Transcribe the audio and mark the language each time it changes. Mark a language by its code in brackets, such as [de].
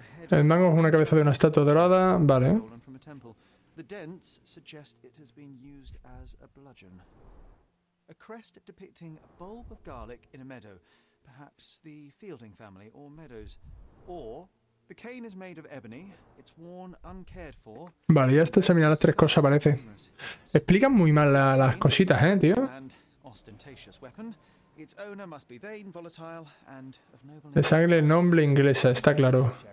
[es] El mango es una cabeza de una estatua dorada. Vale. [en] The dents suggest it has been used as a bludgeon. A crest depicting a bulb of garlic in a meadow, perhaps the Fielding family or Meadows. Or the cane is made of ebony, it's worn uncared for. [es] Vale, ya está examinando las tres cosas, parece. Explican muy mal las cositas, tío. [en] And ostentatious weapon. Its owner must be vain, volatile and of noble. [es] Es sangre noble inglesa, está claro.